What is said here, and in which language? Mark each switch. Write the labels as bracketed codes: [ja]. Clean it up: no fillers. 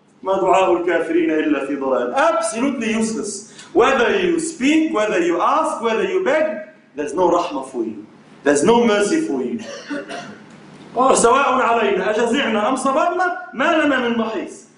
[ar] ما دعاء الكافرين إلا في ضلال. [en] Absolutely useless. Whether you speak, whether you ask, whether you beg, there's no rahmah for you. There's no mercy for you. [ar] سواء علينا أجزعنا أم صبرنا ما لنا من محيص.